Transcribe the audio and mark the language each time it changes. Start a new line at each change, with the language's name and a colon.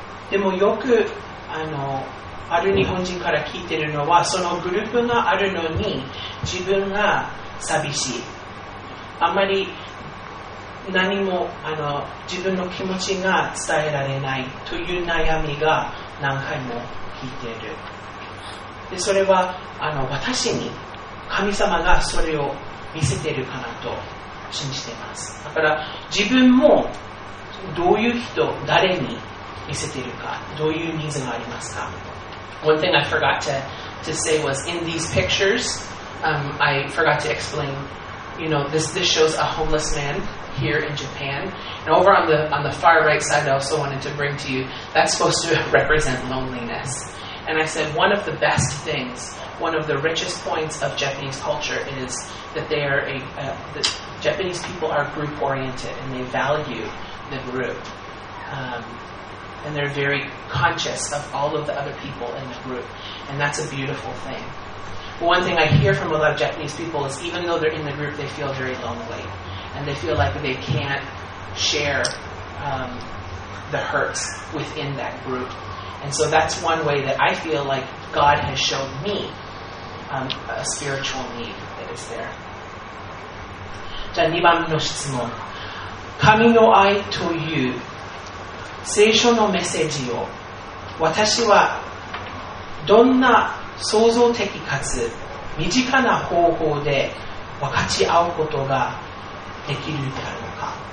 Japanese: でもよくある日本人から聞いているのは、そのグループがあるのに自分が寂しい、あまり何も自分の気持ちが伝えられないという悩みが何回も聞いている。でそれは私に神様がそれを見せているかなと信じています。だから自分もどういう人、誰に見せているか、どういうニーズがありますか。
English: One thing I forgot to say was in these pictures, I forgot to explain, you know, this shows a homeless man here in Japan. And over on the far right side, I also wanted to bring to you, that's supposed to represent loneliness. And I said one of the best things, one of the richest points of Japanese culture is that they are the Japanese people are group oriented and they value the group. And they're very conscious of all of the other people in the group. And that's a beautiful thing. One thing I hear from a lot of Japanese people is even though they're in the group, they feel very lonely. And they feel like they can't share the hurts within that group. And so that's one way that I feel like God has shown me a spiritual need that is there.
Japanese: じゃあ2番目の質問。神の愛という聖書のメッセージを私はどんな創造的かつ身近な方法で分かち合うことができるであろうか。